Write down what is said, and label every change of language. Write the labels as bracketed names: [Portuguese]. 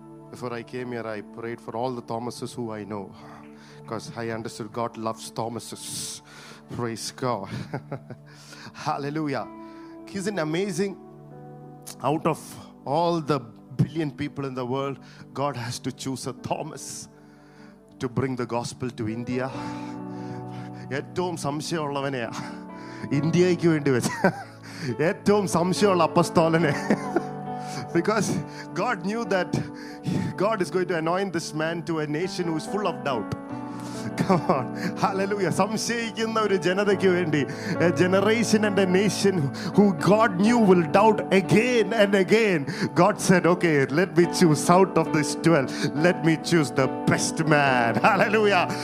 [English] Before I came here, I prayed for all the Thomases who I know, because I understood God loves Thomases. Praise God. Hallelujah. Isn't amazing? Out of all the billion people in the world, God has to choose a Thomas to bring the gospel to India. [Malayalam] ഏറ്റവും സംശയമുള്ളവനെയാ ഇന്ത്യയ്ക്ക് വേണ്ടി വെച്ച ഏറ്റവും സംശയമുള്ള അപ്പസ്തോലനെ. [English] Because God knew that God is going to anoint this man to a nation who is full of doubt. Come on. Hallelujah. [Malayalam] സംശയിക്കുന്ന ഒരു ജനതയ്ക്ക് വേണ്ടി, [English] a generation and a nation who God knew will doubt again and again, God said, okay, let me choose out of this 12, let me choose the best man. Hallelujah.